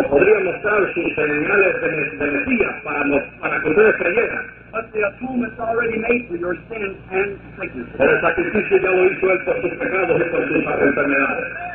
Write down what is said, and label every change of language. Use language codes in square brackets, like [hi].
[es] O podría mostrar sus señales de Mesías para que ustedes creyeran. [en] But the atonement's already made for your sins and sicknesses. [es] Pero el sacrificio ya lo hizo él por sus pecados y por sus enfermedades.